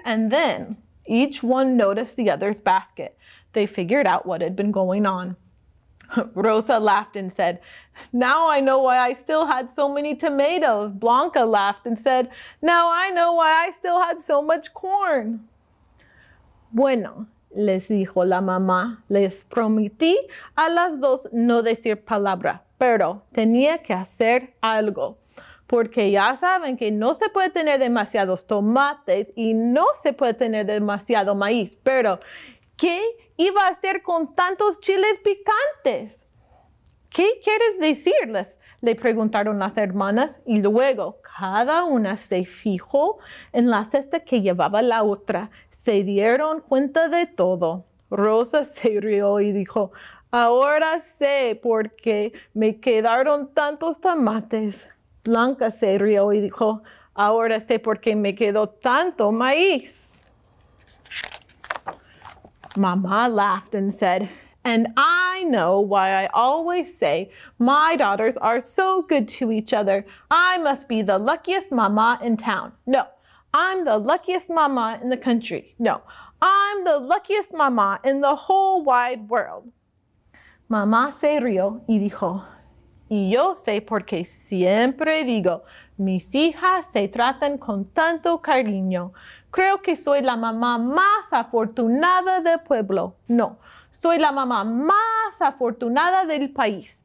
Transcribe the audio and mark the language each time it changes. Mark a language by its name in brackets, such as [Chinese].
[English] And then each one noticed the other's basket. They figured out what had been going on. Rosa laughed and said, Now I know why I still had so many tomatoes. Blanca laughed and said, Now I know why I still had so much corn. [Spanish] Bueno, les dijo la mamá, les prometí a las dos no decir palabra, pero tenía que hacer algo, porque ya saben que no se puede tener demasiados tomates y no se puede tener demasiado maíz, pero ¿qué iba a hacer con tantos chiles picantes? ¿Qué quieres decirles? Le preguntaron las hermanas y luego cada una se fijó en la cesta que llevaba la otra. Se dieron cuenta de todo. Rosa se rió y dijo, ahora sé por qué me quedaron tantos tomates. Blanca se rió y dijo, ahora sé por qué me quedó tanto maíz. [English] Mamá laughed and said, and I know why I always say my daughters are so good to each other. I must be the luckiest mama in town. No, I'm the luckiest mama in the country. No, I'm the luckiest mama in the whole wide world. [Spanish] Mamá se rió y dijo, y yo sé por qué siempre digo, mis hijas se tratan con tanto cariño. Creo que soy la mamá más afortunada del pueblo. No, soy la mamá más afortunada del país.